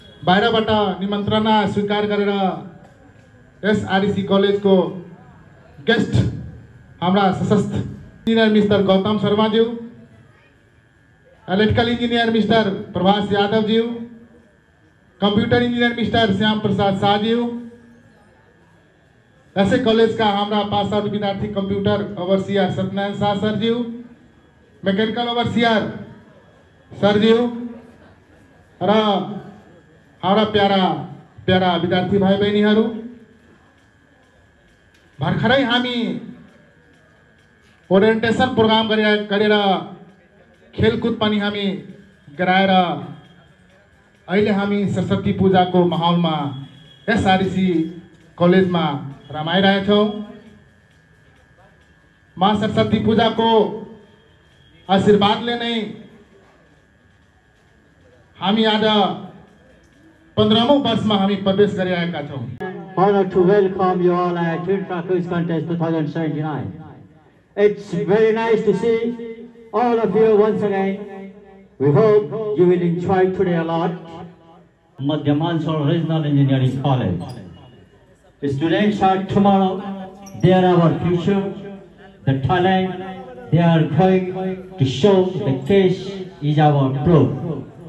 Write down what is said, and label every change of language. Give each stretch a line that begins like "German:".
Nepali: बाहिरबाट निमंत्रण स्वीकार गरेर
Hindi: इस आरईसी कॉलेज को गेस्ट हमारा सशस्त्र engineer mister Gautam Sharma ji electrical engineer mister Prabhas Yadav ji computer engineer mister Shyam Prasad Shah ji ऐसे कॉलेज का हमारा पास आउट विद्यार्थी computer overseer Satyanarayan Shah sir जी मैकेनिकल ओवरसीयर सर जी
Nepali: र हाम्रा प्यारा प्यारा विद्यार्थी भाइ बहिनीहरू भर्खरै हामी ओरिएन्टेसन प्रोग्राम गरेर खेलकुद पनि हामी गराएर अहिले हामी सरस्वती पूजाको माहौलमा एसआरसी कलेजमा रमाइरहेछौँ। माँ सरस्वती पूजाको आशीर्वादले नै हामी आज 15 वर्षमा हामी प्रवेश गरिरहेका छौँ।
English: Honored to welcome you all at Intra Quiz Contest 2079. It's very nice to see all of you once again. We hope you will enjoy today a lot. MADHYAMANCHAL Regional Engineering College. Students are tomorrow, they are our future, the talent they are going to show, the case is our proof.